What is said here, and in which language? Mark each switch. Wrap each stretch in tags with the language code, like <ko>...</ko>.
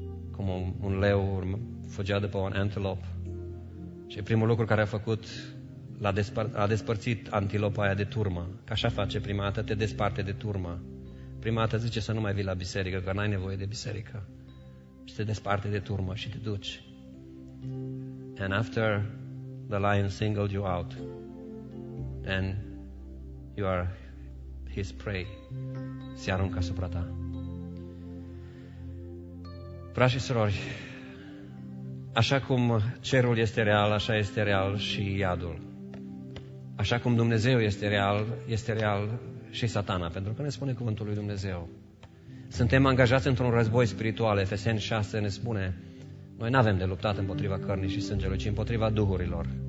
<ro>Cum un leu fugea după un antilop. Și primul lucru care a făcut, a despărțit antilopa aia de turmă. Că așa face, prima dată te desparte de turmă. Prima dată zice să nu mai vii la biserică, că n-ai nevoie de biserică. Și te desparte de turmă și te duci.</ro> <en>And after the lion singled you out, then you are his prey.</en> <ro>Se aruncă asupra ta. Frați și surori, așa cum cerul este real, așa este real și iadul. Așa cum Dumnezeu este real și Satana, pentru că ne spune cuvântul lui Dumnezeu. Suntem angajați într-un război spiritual, Efeseni 6 ne spune, noi n-avem de luptat împotriva cărnii și sângelui, ci împotriva duhurilor.</ro>